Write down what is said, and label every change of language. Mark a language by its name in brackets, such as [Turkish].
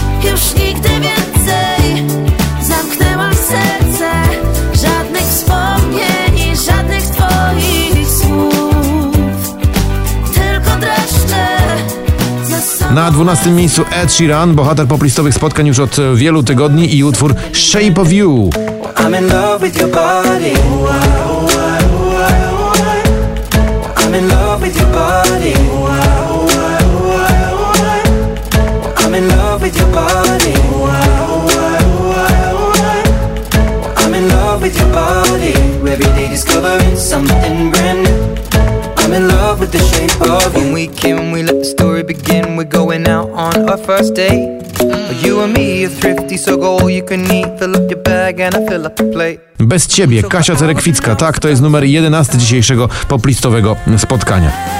[Polish] Już nigdy więcej zamknęłam serce. Żadnych wspomnień i żadnych twoich słów. Tylko dreszcze. Na 12 miejscu Ed Sheeran, bohater poplistowych spotkań już od wielu tygodni i utwór Shape of You. [English] I'm in love with your body. I'm in love with your body. I'm in love with your body. I'm in love with your body. Every day discovering something brand new. I'm in love with the shape of you. When we came, we let the story begin. We're going out on our first date. You and me are thrifty, so go all you can eat. Fill up your bag and I fill up the plate. [Polish] Bez ciebie, [English] Kasia Cerekwicka. [Polish] Tak, to jest numer 11 dzisiejszego poplistowego spotkania.